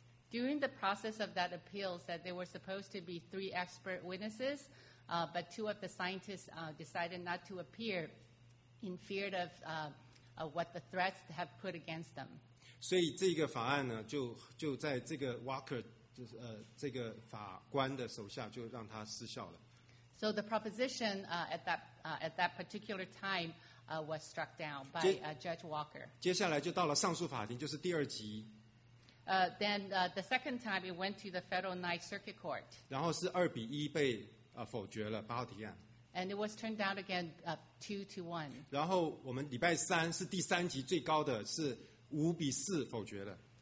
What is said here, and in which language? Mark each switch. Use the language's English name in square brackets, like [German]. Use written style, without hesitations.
[English] During the process of that appeal, said there were supposed to be three expert witnesses, but two of the scientists decided not to appear in fear of what the threats have put against them. [Chinese] 所以这个法案呢，就在这个 Walker 就是这个法官的手下就让他失效了。 [English] So the proposition at that particular time was struck down by Judge Walker. [Chinese] 接下来就到了上诉法庭，就是第二级。 [English] Then the second time it went to the Federal Ninth Circuit Court. [Chinese] 然后是2比1被 否决了八号提案。 [English] And it was turned down again 2-1. [Chinese] 然后我们礼拜三是第三级最高的，是5比4否决了。